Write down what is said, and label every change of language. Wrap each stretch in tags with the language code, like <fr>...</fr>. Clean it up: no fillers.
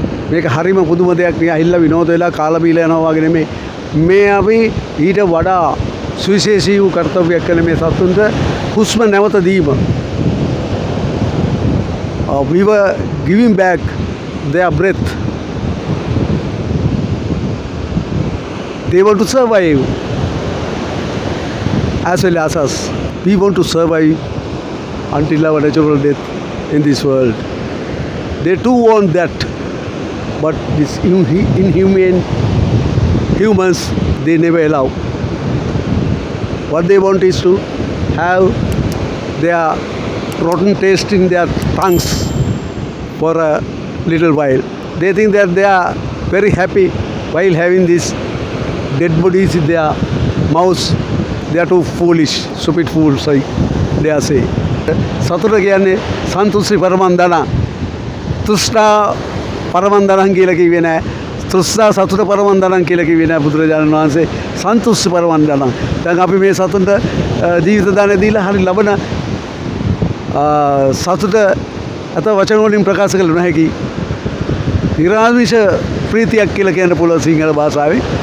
<si>මේක හරිම පුදුම දෙයක්. මේ අහිල්ල විනෝද වෙලා කාලබීල යනවා වගේ නෙමෙයි. මේ අපි ඊට වඩා සුවිශේෂී වූ කර්තව්‍යයක් කරන මේ සතුන්ට හුස්ම නැවත දීම.</si> <en>We were giving back their breath. They want to survive. As well as us, we want to survive until our natural death in this world. They too want that, but this inhumane humans, they never allow. What they want is to have their rotten taste in their tongues for a little while. They think that they are very happy while having these dead bodies in their mouths. They are too foolish, stupid fools, they are saying.</en> <si>සතුට කියන්නේ</si> <pi>සන්තුෂ්ටි පරමන්දන, තෘෂ්ණා පරමන්දනම්</pi> <si>කියලා කිව්වේ නෑ. තෘෂ්ණා සතුට පරමන්දනම් කියලා කිව්වේ නෑ බුදුරජාණන් වහන්සේ.</si> <pi>සන්තුෂ්ටි පරමන්දනම්.</pi> <si>දැන් අපි මේ සතුන්ට ජීවිත දානය දීලා හරි ලබන සතුට අත වචන වලින් ප්‍රකාශ කළ නොහැකි නිරාමිෂ ප්‍රීතියක් කියලා කියන්න පුළුවන් සිංහල භාෂාවේ.</si>